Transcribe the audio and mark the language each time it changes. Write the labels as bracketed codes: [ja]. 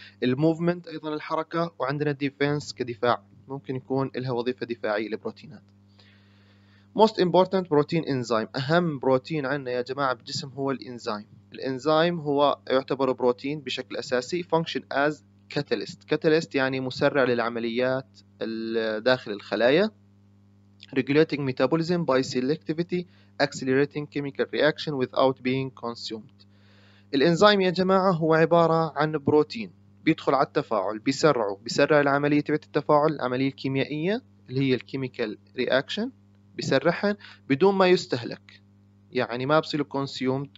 [ar] الموفمنت أيضا الحركة. وعندنا ديفنس كدفاع، ممكن يكون لها وظيفة دفاعية للبروتينات. [en] Most important protein enzyme، [ar] أهم بروتين عندنا يا جماعة بالجسم هو الإنزيم. الإنزيم هو يعتبر بروتين بشكل أساسي. [en] function as catalyst، [ar] catalyst يعني مسرع للعمليات داخل الخلايا. [en] regulating metabolism by selectivity accelerating chemical reaction without being consumed. [ar] الإنزيم يا جماعة هو عبارة عن بروتين بيدخل على التفاعل، بيسرعه، بيسرع العملية تبعت التفاعل، العملية الكيميائية اللي هي الكيميكال رياكشن، بيسرحها بدون ما يستهلك، يعني ما بصير consumed.